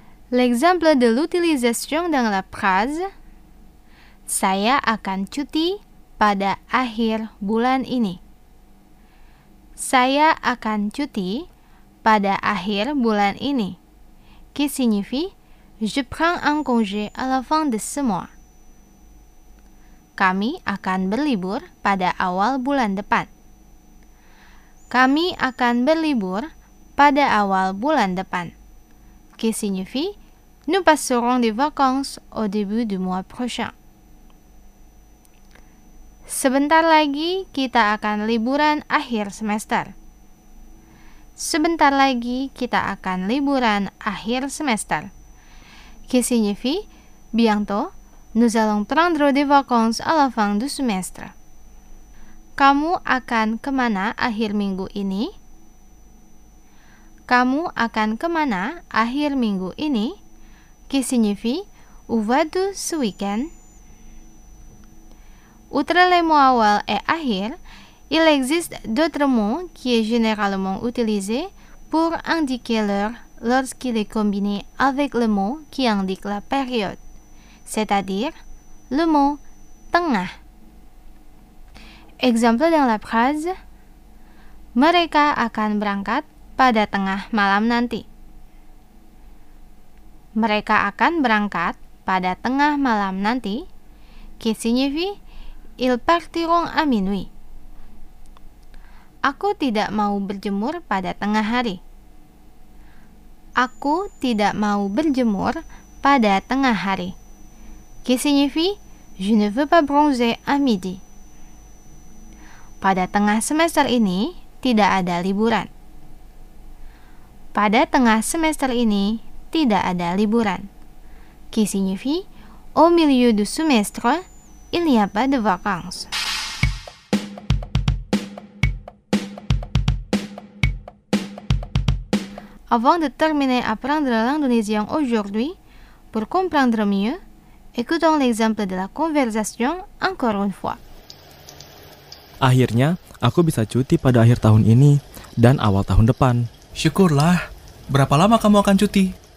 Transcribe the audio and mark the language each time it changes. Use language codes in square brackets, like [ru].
[fr] L'exemple de l'utilisation dans la phrase: [id] saya akan cuti pada akhir bulan ini. Saya akan cuti pada akhir bulan ini. [fr] Qui signifie je prends un congé à la fin de ce mois. [id] Kami akan berlibur pada awal bulan depan. Kami akan berlibur pada awal bulan depan. [fr] Qui signifie nous passerons des vacances au début du mois prochain. [id] Sebentar lagi kita akan liburan akhir semester. Sebentar lagi kita akan liburan akhir semester. [fr] Qui signifie bientôt nous allons prendre des vacances à la fin du semestre. [id] Kamu akan kemana akhir minggu ini? Kamu akan kemana akhir minggu ini? [fr] Qui signifie où vas-tu ce week-end? Outre les mots awal et ahir, il existe d'autres mots qui est généralement utilisé pour indiquer l'heure lorsqu'il est combiné avec le mot qui indique la période, c'est-à-dire le mot tengah. Exemple dans la phrase: [id] mereka akan berangkat pada tengah malam nanti. Mereka akan berangkat pada tengah malam nanti. [fr] Qui signifie ils partiront à minuit. [id] Aku tidak mau berjemur pada tengah hari. Aku tidak mau berjemur pada tengah hari. [fr] Qui signifie je ne veux pas bronzer à midi. [id] Pada tengah semester ini tidak ada liburan. Pada tengah semester ini tidak ada liburan. [fr] Qui signifie au milieu du semestre, il n'y a pas de vacances. Avant de terminer apprendre l'indonésien aujourd'hui, pour comprendre mieux, écoutons l'exemple de la conversation encore une fois. [id] Akhirnya, aku bisa cuti pada akhir tahun ini dan awal tahun depan. Syukurlah. Berapa lama kamu akan cuti?